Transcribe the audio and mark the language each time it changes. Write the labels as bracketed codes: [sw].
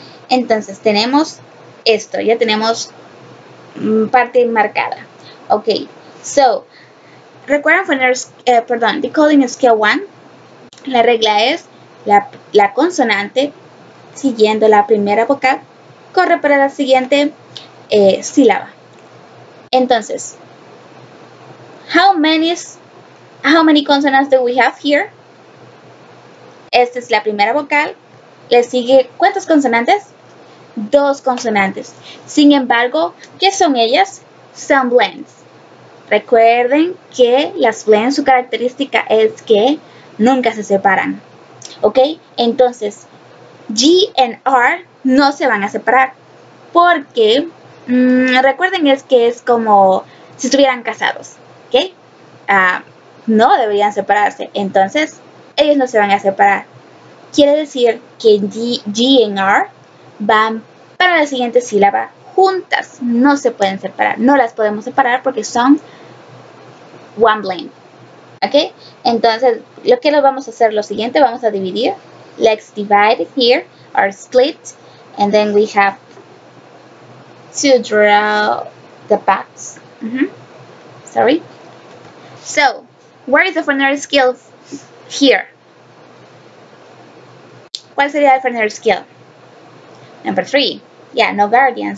[es] Entonces, tenemos esto. Ya tenemos parte marcada. Ok. So, ¿recuerdan Decoding Skill 1? La regla es la consonante siguiendo la primera vocal corre para la siguiente sílaba. [en] Entonces, how many consonants do we have here? [es] Esta es la primera vocal. Le sigue, ¿cuántas consonantes? Dos consonantes. Sin embargo, ¿qué son ellas? Son blends. Recuerden que las blends, su característica es que nunca se separan. ¿Ok? Entonces, G and R no se van a separar. Porque, recuerden es que es como si estuvieran casados. ¿Ok? No deberían separarse. Entonces, ellos no se van a separar. Quiere decir que G and R van para la siguiente sílaba juntas. No se pueden separar. No las podemos separar porque son one blend. ¿Ok? Entonces, lo que vamos a hacer lo siguiente. Vamos a dividir. [en] Let's divide here or split. And then we have to draw the box. Mm-hmm. Sorry. So, where is the phonetic skill here? [es] ¿Cuál sería el phonetic skill? [en] Number three. Yeah, no guardian.